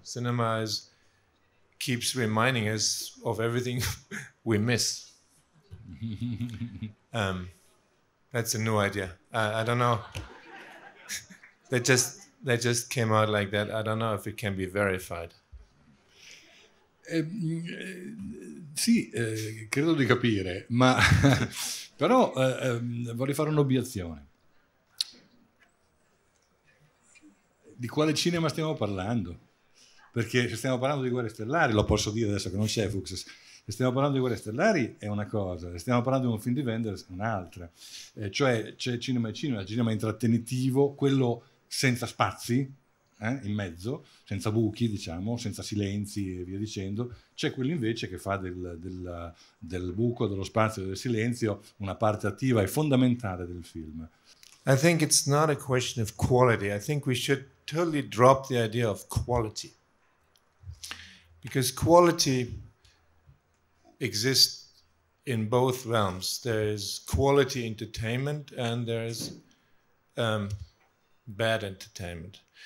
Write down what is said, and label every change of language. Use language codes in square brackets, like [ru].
[en] Cinema keeps reminding us of everything we miss. That's a new idea. I don't know. that just came out like that. I don't know if it can be verified. [it] Sì, credo di capire, ma però vorrei fare un'obiezione. Di quale cinema stiamo parlando? Perché se stiamo parlando di Guerre Stellari, lo posso dire adesso che non c'è Fuksas, se stiamo parlando di Guerre Stellari è una cosa, se stiamo parlando di un film di Wenders è un'altra. Cioè c'è cinema intrattenitivo, quello senza spazi, in mezzo, senza buchi, diciamo, senza silenzi e via dicendo. C'è quello invece che fa del buco, dello spazio, del silenzio, una parte attiva e fondamentale del film. [en] I think it's not a question of quality. I think we should totally drop the idea of quality. Because quality exists in both realms. There is quality entertainment and there is bad entertainment.